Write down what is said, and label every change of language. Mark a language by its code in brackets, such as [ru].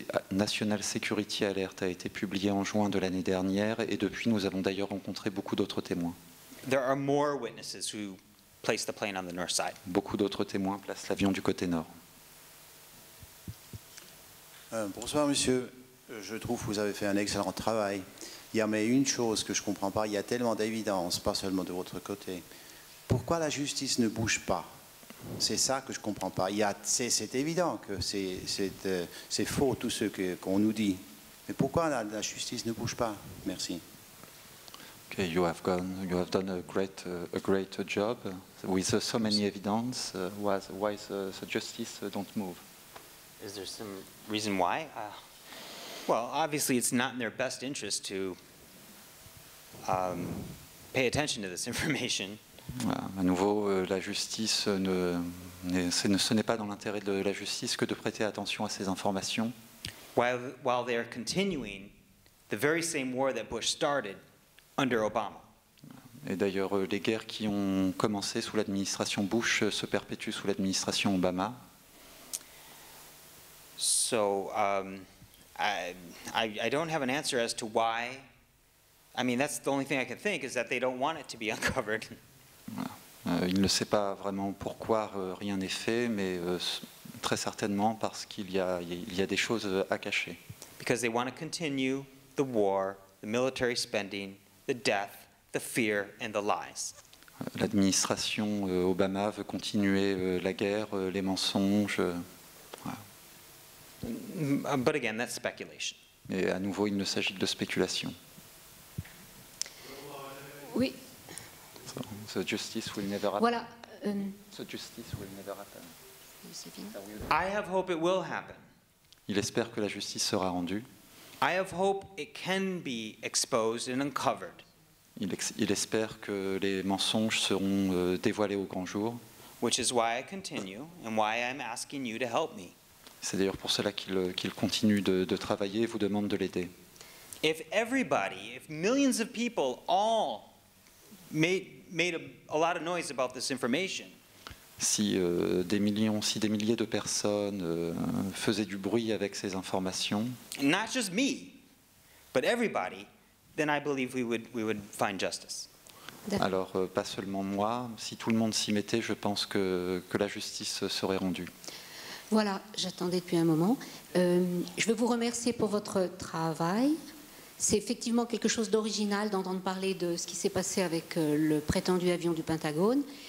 [fr] National Security Alert a été publié en juin de l'année dernière, et depuis nous avons d'ailleurs rencontré beaucoup d'autres témoins. [en] There are more witnesses who place the plane on the north side. [fr] Beaucoup d'autres témoins placent l'avion du côté nord. Bonsoir monsieur, je trouve que vous avez fait un excellent travail. Il y a mais une chose que je ne comprends pas, il y a tellement d'évidence, pas seulement de votre côté. Pourquoi la justice ne bouge pas? C'est ça que je ne comprends pas. C'est évident que c'est faux tout ce qu'on nous dit. Mais pourquoi la justice ne bouge pas? Merci. [en] Okay, you have done a great job with so many evidence. Why the justice don't move? Is there some reason why? Well, obviously it's not in their best interest to pay attention to this information. [fr] À nouveau, la justice ce n'est pas dans l'intérêt de la justice que de prêter attention à ces informations. [en] While they are continuing the very same war that Bush started under Obama. [fr] Et d'ailleurs, les guerres qui ont commencé sous l'administration Bush se perpétuent sous l'administration Obama. [en] So I don't have an answer as to why. I mean, that's the only thing I can think is that they don't want it to be uncovered. [fr] Il ne sait pas vraiment pourquoi rien n'est fait, mais très certainement parce qu'il y a des choses à cacher. [en] Because they want to continue the war, the military spending, the death, the fear and the lies. [fr] L'administration Obama veut continuer la guerre, les mensonges. [en] But again, that's speculation. [fr] Et à nouveau, il ne s'agit que de spéculation. Oui. [en] So justice will never happen. [fr] Voilà. [en] So justice will never happen. I have hope it will happen. [fr] Il espère que la justice sera rendue. [en] I have hope it can be exposed and uncovered. [fr] Il espère que les mensonges seront dévoilés au grand jour. [en] Which is why I continue and why I'm asking you to help me. [fr] C'est d'ailleurs pour cela qu'il continue de travailler et vous demande de l'aider. [en] If everybody, if millions of people all made a lot of noise about this information. [fr] Si des millions, si des milliers de personnes faisaient du bruit avec ces informations. [en] Not just me, but everybody, then I believe we would find justice. [fr] Alors pas seulement moi, si tout le monde s'y mettait, je pense que la justice serait rendue. Voilà, j'attendais depuis un moment. Je veux vous remercier pour votre travail. C'est effectivement quelque chose d'original d'entendre parler de ce qui s'est passé avec le prétendu avion du Pentagone.